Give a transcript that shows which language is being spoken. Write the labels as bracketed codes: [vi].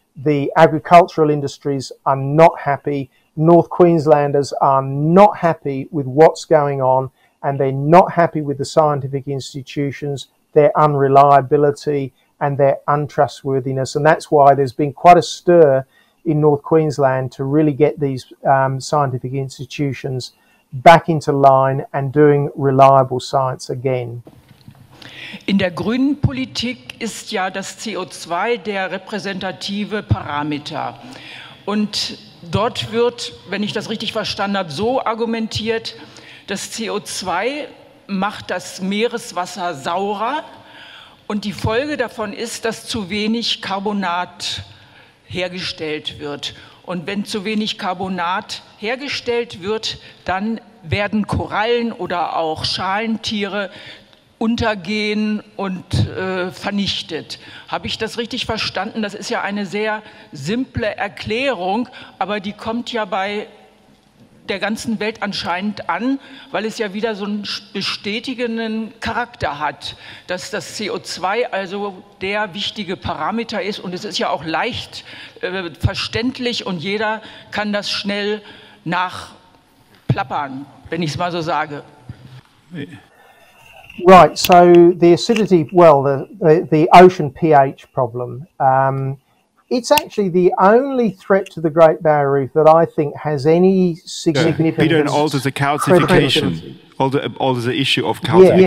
[en] The agricultural industries are not happy. North Queenslanders are not happy with what's going on, and they're not happy with the scientific institutions, their unreliability and their untrustworthiness. And that's why there's been quite a stir in North Queensland to really get these scientific institutions back into line and doing reliable science again. [de] In der grünen Politik ist ja das CO2 der repräsentative Parameter. Und dort wird, wenn ich das richtig verstanden habe, so argumentiert, dass CO2 macht das Meereswasser saurer und die Folge davon ist, dass zu wenig Carbonat hergestellt wird. Und wenn zu wenig Carbonat hergestellt wird, dann werden Korallen oder auch Schalentiere untergehen und vernichtet. Habe ich das richtig verstanden? Das ist ja eine sehr simple Erklärung, aber die kommt ja bei der ganzen Welt anscheinend an, weil es ja wieder so einen bestätigenden Charakter hat, dass das CO2 also der wichtige Parameter ist und es ist ja auch leicht verständlich und jeder kann das schnell nachplappern, wenn ich es mal so sage. Nee. [en] Right, so the acidity, well, the ocean pH problem, it's actually the only threat to the Great Barrier Reef that I think has any significance. Peter, and also the calcification, all the issue of calcification.